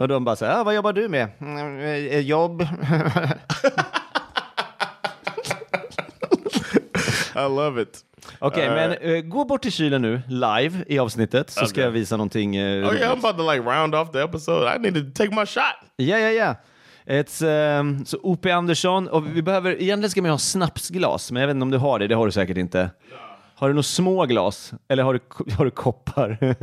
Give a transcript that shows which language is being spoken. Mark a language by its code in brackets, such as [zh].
[sv] Och de bara säger, vad jobbar du med? Jobb. [en] I love it. [sv] Okej, okay, men gå bort till kylen nu, live i avsnittet, så ska jag visa någonting. Okej, [en] I'm about to like round off the episode. I need to take my shot. [sv] Ja. [en] It's [sv] så O.P. Andersson, och vi behöver egentligen, ska man ha snapsglas, men jag vet inte om du har det. Det har du säkert inte. [en] Yeah. [sv] Har du några små glas eller har du koppar?